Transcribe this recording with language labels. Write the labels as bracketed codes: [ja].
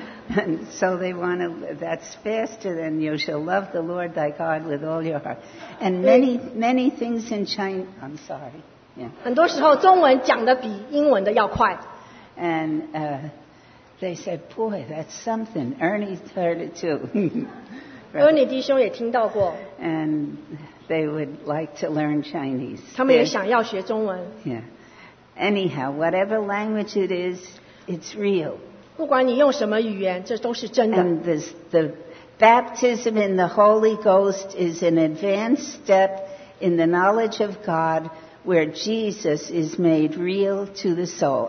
[en] And so they want to, that's faster than you shall love the Lord thy God with all your heart. And many, many things in Chinese, I'm sorry. Yeah. [zh] 很多时候中文讲得比英文的要快。 [en] And they said, boy, that's something. Ernie heard it too. [zh] Ernie弟兄也听到过。 [en] And they would like to learn Chinese. [zh] 他们也想要学中文。 [en] Yeah. Anyhow, whatever language it is, it's real. [zh] 不管你用什么语言, 这都是真的。 [en] And the baptism in the Holy Ghost is an advanced step in the knowledge of God where Jesus is made real to the soul.